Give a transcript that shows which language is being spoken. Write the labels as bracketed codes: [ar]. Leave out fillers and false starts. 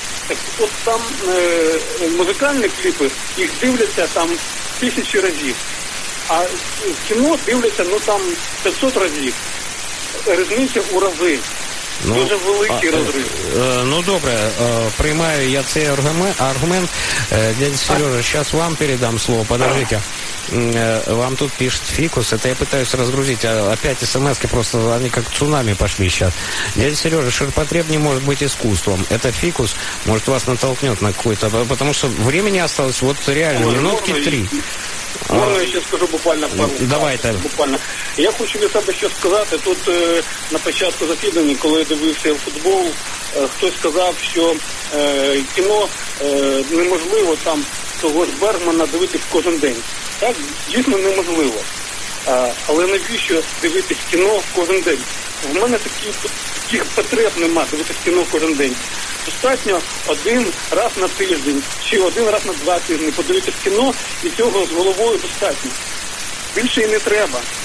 [uk] Так от там музикальні кліпи, їх дивляться там тисячі разів, а кіно дивляться, ну, там 500 разів. Різниця у рази. Ну, дуже великий розрив. Ну, добре, приймаю я цей аргумент. [ru] Дядя Сережа, [uk] зараз вам передам слово, [ru] подождите. Вам тут пишет фикус, это я пытаюсь разгрузить, а опять смс-ки просто, они как цунами пошли сейчас. Дядя Сережа, ширпотреб не может быть искусством. Это фикус, может, вас натолкнет на какой-то... Потому что времени осталось вот реально, минутки три. Можно я сейчас скажу буквально пару? Давайте. Буквально. Я хочу для себя еще сказать, тут [uk] на початку [ru] закидывания, когда я дивился в футбол, кто-то сказал, что кино [uk] неможливо там когось Бергмана дивитися в кожен день. Так, дійсно, неможливо. Але навіщо дивитися кіно кожен день? В мене таких потреб нема дивитися кіно кожен день. Достатньо один раз на тиждень чи один раз на два тижні подивитися кіно, і цього з головою достатньо. Більше і не треба.